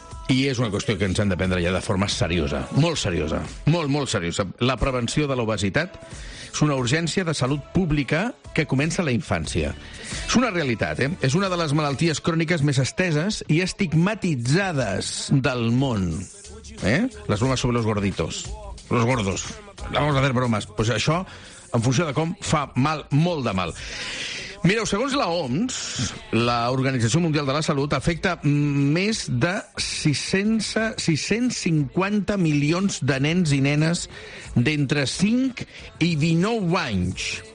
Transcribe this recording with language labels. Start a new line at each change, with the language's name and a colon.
Catalan: I és una qüestió que ens hem de prendre ja de forma seriosa. Molt seriosa. Molt, molt seriosa. La prevenció de l'obesitat és una urgència de salut pública que comença a la infància. És una realitat, eh? És una de les malalties cròniques més esteses i estigmatitzades del món. Les bromes sobre
Spanish: los gorditos. Los gordos. Vamos a hacer bromas.
Catalan: Pues això, en funció de com, fa mal, molt de mal. Mireu, segons la OMS, l'Organització Mundial de la Salut, afecta més de 650 milions de nens i nenes d'entre 5 i 19 anys.